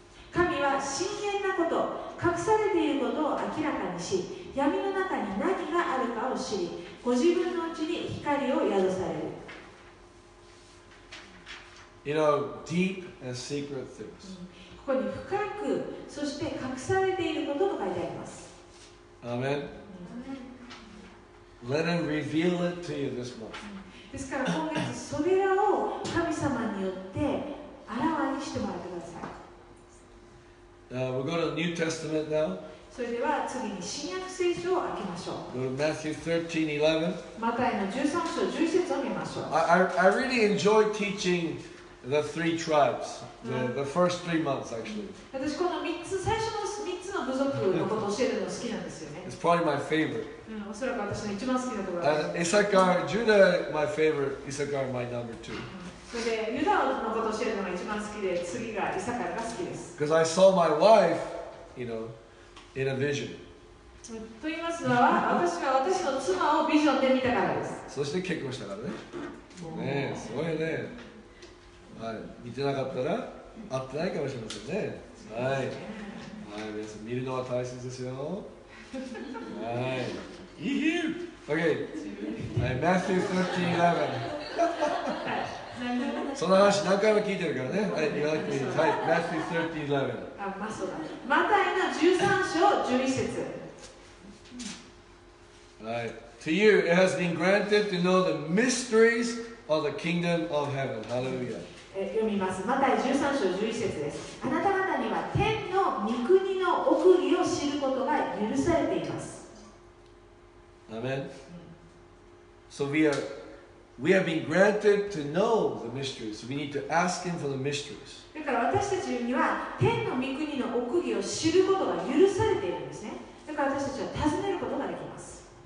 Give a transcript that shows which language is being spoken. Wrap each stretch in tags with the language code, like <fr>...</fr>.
<ja>神は深淵なこと、隠されていることを明らかにし、闇の中に何があるかを知り、ご自分のうちに光を宿される。</ja> <en>You know, deep and secret things.</en> <ja>ここに深く、そして隠されていることと書いてあります。アメン。</ja> <en>Let him reveal it to you this month.</en> <ja>ですから今月、それらを神様によってあらわにしてもらってください。</ja> <en>We'll go to New Testament now.</en> <ja>それでは次に新約聖書を開けましょう。</ja> <en>Go to Matthew 13:11.</en> <ja>マタイの13章11節を見ましょう。</ja> <en>I really enjoy teaching... The three tribes, the first three months actually.</en> <ja>私この3つ、最初の3つの部族のことを教えるの好きなんですよね。</ja> <en>It's probably my favorite.</en> <ja>おそらく私の一番好きなところです。</ja> <en>Issachar, Judah, my favorite. Issachar, my number two.</en> <ja>それでユダのことを教えるのが一番好きで、次がイサカルが好きです。 Because I saw my wife, you know, in a vision. と言いますのは、私が私の妻をビジョンで見たからです。そして結婚したからね。ねえ、すごいね。はい、見てなかったら会ってないかもしれませんね。はい、はい、皆さん見るのは大切ですよ。はい、いいよ。OK、はい、Matthew 13:11。その話何回も聞いてるからね。はい、言わなくていいです。はい、Matthew 13:11。あ、まそうだ。マタイの13章12節。</ja> <en>はい、To you it has been granted to know the mysteries of the kingdom of heaven. Hallelujah.</en> <ja>読みます。マタイ13章11節です。あなた方には天の御国の奥義を知ることが許されています。アメン。</ja> <en>So we have been granted to know the mysteries. We need to ask Him for the mysteries.</en> <ja>だから私たちには天の御国の奥義を知ることが許されているんですね。だから私たちは尋ねることができます。</ja>